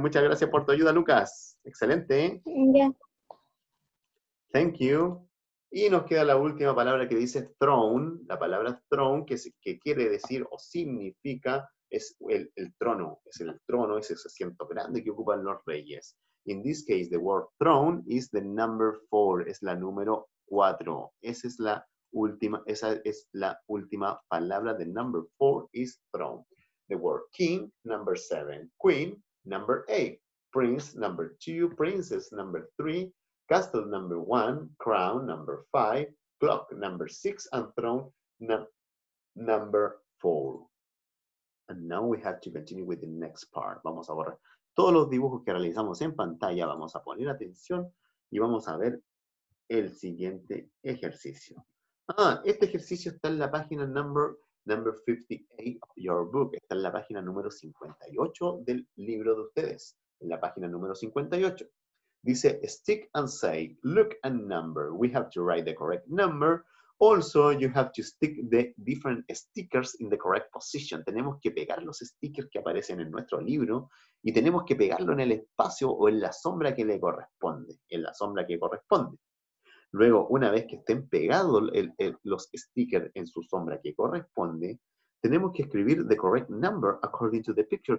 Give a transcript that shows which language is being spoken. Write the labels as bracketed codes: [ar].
[es] Muchas gracias por tu ayuda, Lucas. Excelente. [en] Yeah. Thank you. [es] Y nos queda la última palabra que dice throne. La palabra throne, que quiere decir o significa, es el trono. Es el trono, es ese asiento grande que ocupan los reyes. [en] In this case, the word throne is the number 4. [es] Es la número 4. Esa es la última, esa es la última palabra. [en] The number 4 is throne. The word king, number 7. Queen, number 8. Prince, number 2. Princess, number 3. Castle, number 1. Crown, number 5. Clock, number 6. And throne, number 4. And now we have to continue with the next part. [es] Vamos a borrar todos los dibujos que realizamos en pantalla. Vamos a poner atención y vamos a ver el siguiente ejercicio. Ah, este ejercicio está en la página [en] number 58 of your book. [es] Está en la página número 58 del libro de ustedes. En la página número 58. Dice, [en] stick and say, look and number. We have to write the correct number Also, you have to stick the different stickers in the correct position. [es] Tenemos que pegar los stickers que aparecen en nuestro libro y tenemos que pegarlo en el espacio o en la sombra que le corresponde. En la sombra que corresponde. Luego, una vez que estén pegados los stickers en su sombra que corresponde, tenemos que escribir [en] the correct number according to the picture.